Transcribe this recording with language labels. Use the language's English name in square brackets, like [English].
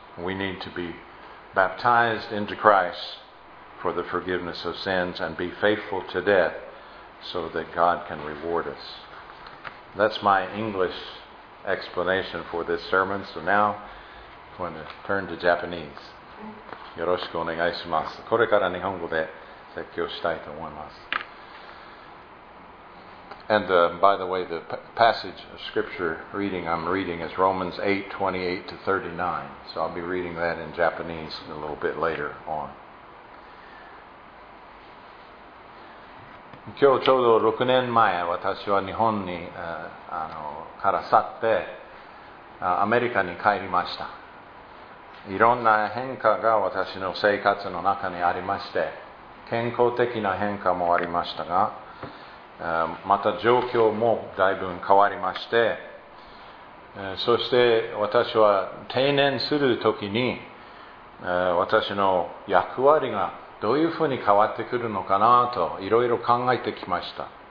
[English] We need to be baptized into Christ for the forgiveness of sins and be faithful to death so that God can reward us. That's my English explanation for this sermon. So now I'm going to turn to Japanese. [Japanese] よろしくお願いします。これから日本語で説教したいと思います。 [English] And by the way, the passage of scripture reading I'm reading is Romans 8:28-39. So I'll be reading that in Japanese a little bit later on. [Japanese] 今日ちょうど6年前、私は日本に、から去って、アメリカに帰りました。いろんな変化が私の生活の中にありまして、健康的な変化もありましたが、また状況もだいぶ変わりまして、そして私は定年するときに、私の役割がどういうふうに変わってくるのかなといろいろ考えてきました。